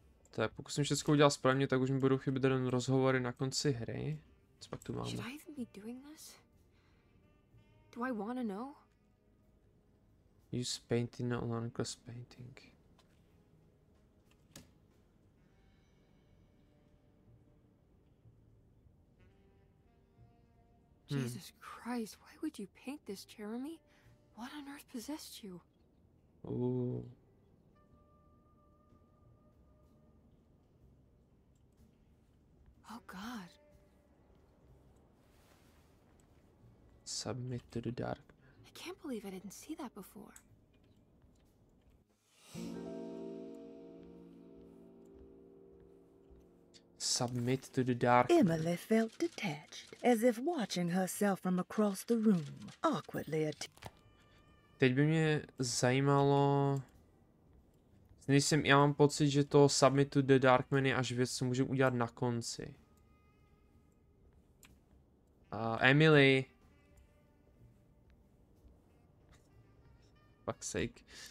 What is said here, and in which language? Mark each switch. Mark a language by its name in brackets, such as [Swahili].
[Czech] Tak pokud jsem všechno udělal správně, tak už mi budou chybět jen rozhovory na konci hry. Co pak tu máme? [English] Should I even be doing this? Do I wanna know? Use painting, not long cross painting. Jesus Christ, why would you paint this, Jeremy? What on earth possessed you? Ooh. Oh God. Submit to the dark. I can't believe I didn't see that before. Submit to the dark. Emily felt detached, as if watching herself from across the room, awkwardly [Czech] Teď by mě zajímalo. Já mám pocit, že to Submit to the Darkman je až věc, co můžu udělat na konci. Emily. [English] Fuck sake.